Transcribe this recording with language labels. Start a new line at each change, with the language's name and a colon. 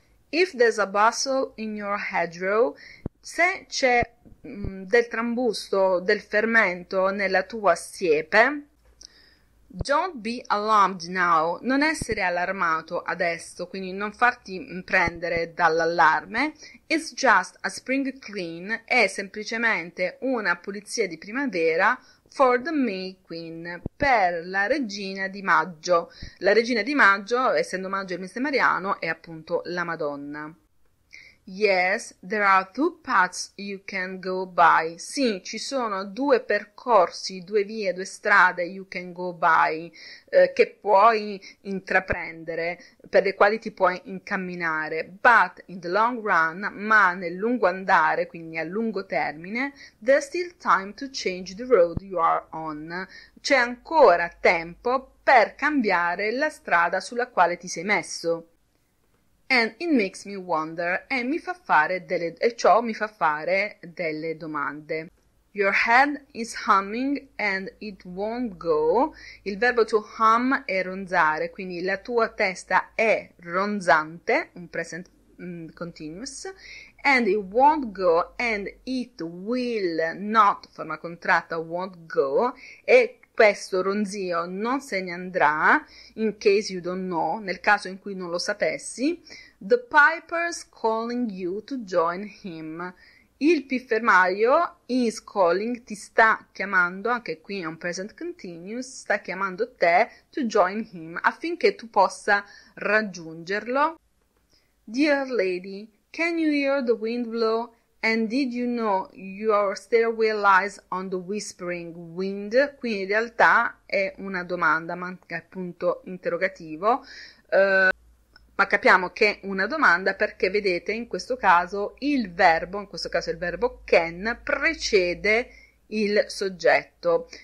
English: If there's a bustle in your hedgerow,
Italian: se c'è del trambusto, del fermento nella tua siepe,
English: don't be alarmed now,
Italian: non essere allarmato adesso, quindi non farti prendere dall'allarme,
English: it's just a spring clean,
Italian: è semplicemente una pulizia di primavera,
English: for the May Queen,
Italian: per la regina di maggio. La regina di maggio, essendo maggio il mese mariano, è appunto la Madonna.
English: Yes, there are two paths you can go by.
Italian: Sì, ci sono due percorsi, due vie, due strade
English: you can go by,
Italian: che puoi intraprendere, per le quali ti puoi incamminare.
English: But in the long run,
Italian: ma nel lungo andare, quindi a lungo termine,
English: there's still time to change the road you are on.
Italian: C'è ancora tempo per cambiare la strada sulla quale ti sei messo.
English: And it makes me wonder,
Italian: e mi fa fare delle, e ciò mi fa fare delle domande.
English: Your head is humming and it won't go.
Italian: Il verbo to hum è ronzare, quindi la tua testa è ronzante, un present continuous.
English: And it won't go and it will not,
Italian: forma contratta,
English: won't go.
Italian: E questo ronzio non se ne andrà,
English: in case you don't know,
Italian: nel caso in cui non lo sapessi.
English: The piper's calling you to join him.
Italian: Il piffermaio
English: is calling,
Italian: ti sta chiamando, anche qui è un present continuous, sta chiamando te
English: to join him,
Italian: affinché tu possa raggiungerlo.
English: Dear lady, can you hear the wind blow? And did you know your stairway lies on the whispering wind?
Italian: Qui in realtà è una domanda, ma anche appunto interrogativo. Ma capiamo che è una domanda perché vedete in questo caso il verbo, in questo caso il verbo can, precede il soggetto.